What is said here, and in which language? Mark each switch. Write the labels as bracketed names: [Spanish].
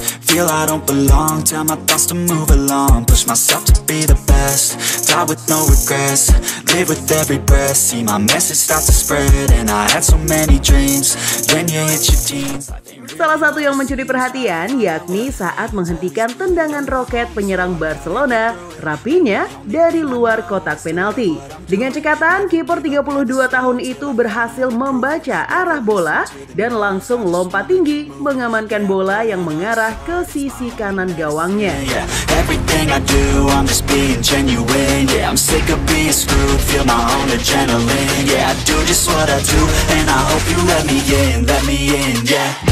[English] Feel I don't belong, tell my thoughts to move along. Push myself to be the best, die with no regrets. Live with every breath, see my message start to spread. And I had so many dreams, when you hit your teens. [Indonesian] Salah satu yang mencuri perhatian yakni saat menghentikan tendangan roket penyerang Barcelona rapinya dari luar kotak penalti. Dengan cekatan, kiper 32 tahun itu berhasil membaca arah bola dan langsung lompat tinggi mengamankan bola yang mengarah ke sisi kanan gawangnya. [English] Everything I do, I'm just being genuine. Yeah, I'm sick of being screwed, feel my own adrenaline. Yeah, I do just what I do, and I hope you let me in, yeah.